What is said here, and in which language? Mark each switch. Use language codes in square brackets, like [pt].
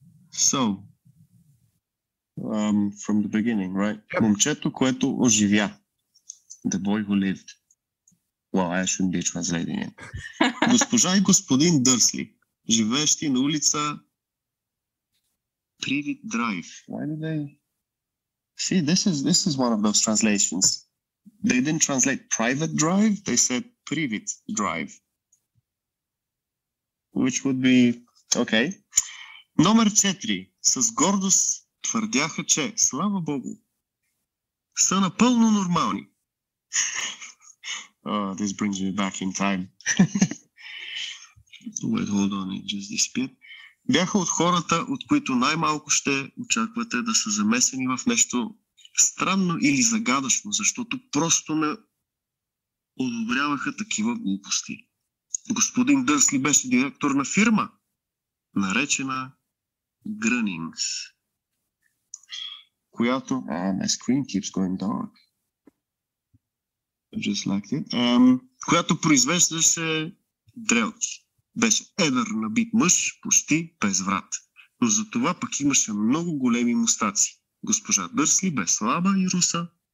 [en] So, from the beginning, right? [bg] Момчето, което оживя. [en] The boy who lived. Well, I shouldn't be translating it. [bg] Госпожа и господин Дърсли, живеещи на улица Привид Драйв. [en] Why did they... See, this is one of those translations. They didn't translate private drive, they said Privid Drive. Which would be... Okay. [bg] Номер 4. С гордост твърдяха, че, слава Богу, са напълно нормални. [en] Oh, this brings me back in time. Wait, hold on, it just disappeared. [bg] Бяха от хората, от които най-малко ще очаквате да са замесени в нещо странно или загадъчно, защото просто не одобряваха такива глупости. Господин Дърсли беше директор на фирма, наречена Grunnings. Която... [en] My screen keeps going dark. Just like it. [bg] Която произвеждаше дрелки. Беше едър набит мъж, почти без врат. Но за това пък имаше много големи мустаци. Госпожа Дърсли бе слаба и руса.